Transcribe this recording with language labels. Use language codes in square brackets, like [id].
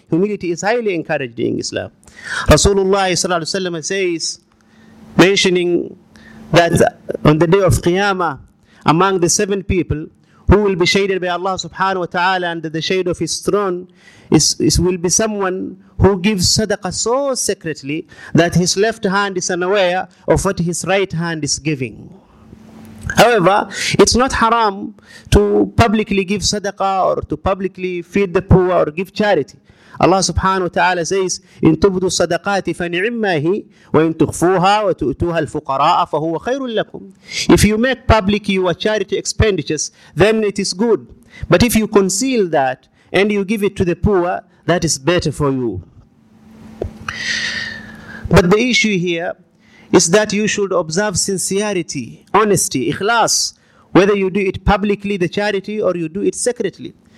[en] Humility is highly encouraged in Islam. Rasulullah sallallahu alaihi wasallam says, mentioning that on the day of Qiyamah, among the seven people who will be shaded by Allah subhanahu wa ta'ala under the shade of his throne will be someone who gives sadaqah so secretly that his left hand is unaware of what his right hand is giving. However, it's not haram to publicly give sadaqah or to publicly feed the poor or give charity. [ar] Allah subhanahu wa ta'ala says, إِن تُبْدُوا الصَّدَقَاتِ فَنِعِمَّاهِ وَإِن تُخْفُوهَا وَتُؤْتُوهَا الْفُقَرَاءَ فَهُوَ خَيْرٌ لَكُمْ. [en] If you make public your charity expenditures, then it is good. But if you conceal that and you give it to the poor, that is better for you. But the issue here is that you should observe sincerity, honesty, ikhlas, whether you do it publicly, the charity, or you do it secretly.